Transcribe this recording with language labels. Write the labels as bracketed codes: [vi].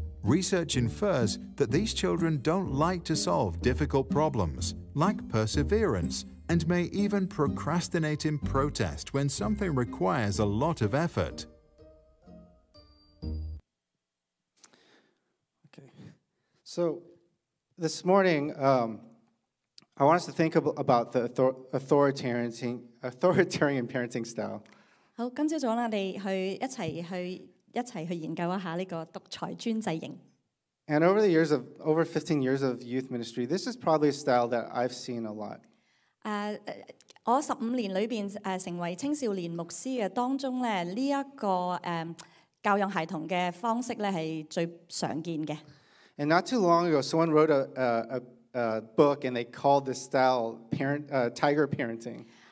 [en] Research infers that these children don't like to solve difficult problems, lack perseverance, and may even procrastinate in protest when something requires a lot of effort. Okay. So this morning, I want us to think about the authoritarian parenting style. [zh] 好, 今早上我們去一起研究一下這個獨裁專制型。 [en] And over the years of, over 15 years of youth ministry, this is probably a style that I've seen a lot. [zh] 我15年裡面成為青少年牧師的當中呢,這個教養孩童的方式呢是最常見的。 [en] And not too long ago, someone wrote a book and they called this style tiger parenting.